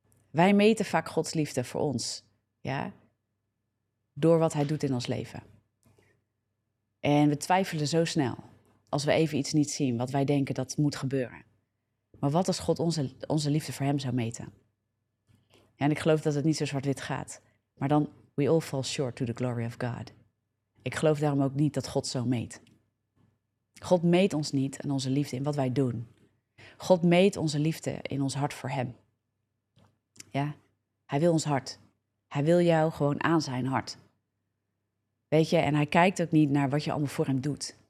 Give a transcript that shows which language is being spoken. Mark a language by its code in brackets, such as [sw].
[nl] Wij meten vaak Gods liefde voor ons. Ja, door wat hij doet in ons leven. En we twijfelen zo snel als we even iets niet zien wat wij denken dat moet gebeuren. Maar wat als God onze liefde voor hem zou meten? Ja, en ik geloof dat het niet zo zwart-wit gaat. [en] Maar dan, we all fall short to the glory of God. [nl] Ik geloof daarom ook niet dat God zo meet. God meet ons niet en onze liefde in wat wij doen. God meet onze liefde in ons hart voor hem. Ja, hij wil ons hart. Hij wil jou gewoon aan zijn hart. Weet je, en hij kijkt ook niet naar wat je allemaal voor hem doet.